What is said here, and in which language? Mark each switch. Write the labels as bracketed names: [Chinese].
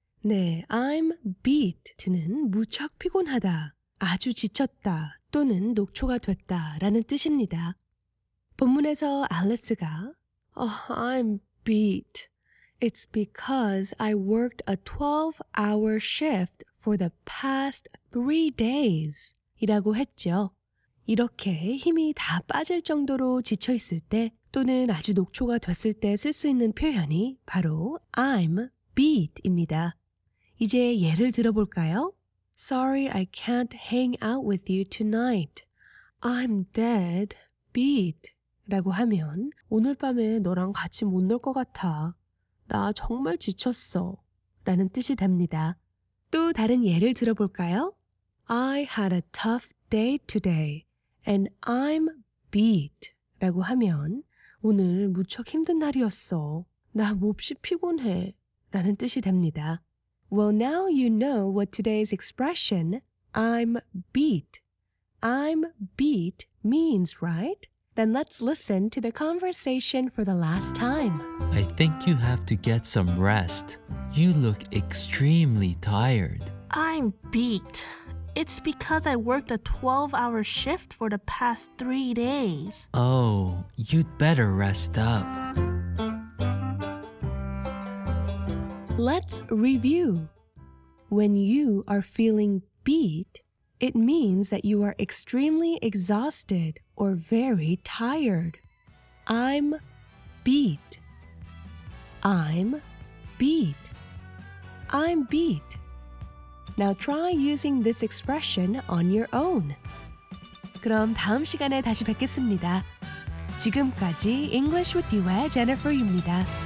[Korean] 네, I'm beat는 무척 피곤하다, 아주 지쳤다 또는 녹초가 됐다 라는 뜻입니다. 본문에서 알리스가 Oh, I'm beat. [English] It's because I worked a 12-hour shift for the past 3 days. [Korean] 이라고 했죠. 이렇게 힘이 다 빠질 정도로 지쳐 있을 때 또는 아주 녹초가 됐을 때 쓸 수 있는 표현이 바로 I'm beat입니다. 이제 예를 들어볼까요? [English] Sorry, I can't hang out with you tonight. I'm dead beat. [Korean] 라고 하면 오늘 밤에 너랑 같이 못 놀 것 같아. 나 정말 지쳤어. 라는 뜻이 됩니다. 또 다른 예를 들어볼까요? I had a tough day today and I'm beat. 라고 하면 오늘 무척 힘든 날이었어. 나 몹시 피곤해. 라는 뜻이 됩니다. [English] Well, now you know what today's expression I'm beat. I'm beat means, right? Then let's listen to the conversation for the last time. I think you have to get some rest. You look extremely tired. I'm beat. It's because I worked a 12-hour shift for the past 3 days. Oh, you'd better rest up. Let's review. When you are feeling beat, it means that you are extremely exhausted or very tired. I'm beat. I'm beat. I'm beat. Now try using this expression on your own. [Korean] 그럼 다음 시간에 다시 뵙겠습니다. 지금까지 English with you의 Jennifer입니다.